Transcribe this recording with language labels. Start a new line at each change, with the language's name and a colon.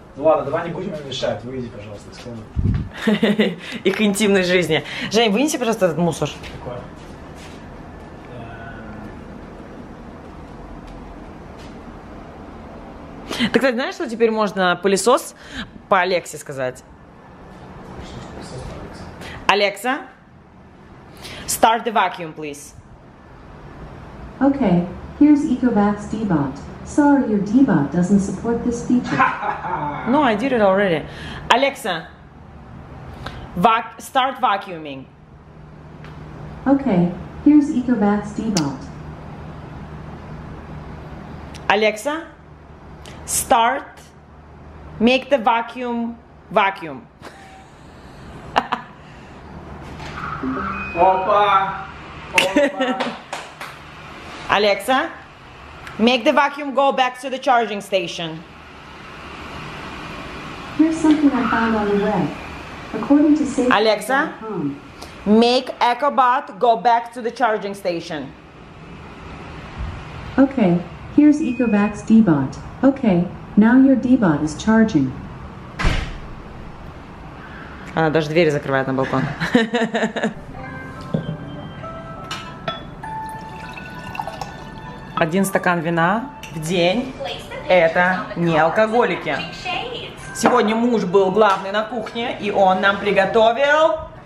Russian: Ну ладно, давай не будем им мешать. Выйди, пожалуйста, из комнаты. Их интимной жизни. Жень, вынеси, пожалуйста, этот мусор. Какой? Ты, кстати, знаешь, что теперь можно пылесос по Алексе сказать?
English: Алекса, start the vacuum, please. Okay, here's EcoVax D-Bot. Sorry, your D-Bot doesn't support this feature. No, I did it already. Alexa, start vacuuming. Okay, here's EcoVax D-Bot. Alexa, start, make the vacuum vacuum. Опа! Alexa, make the vacuum go back to the charging station. Here's something I found on the web. According to safety. Alexa, make EcoBot go back to the charging station. Okay, here's EcoVax D-Bot. Okay. Now your D-bot is charging.
Russian: Она даже двери закрывает на балкон. Один стакан вина в день. Это не алкоголики. Сегодня муж был главный на кухне, и он нам приготовил...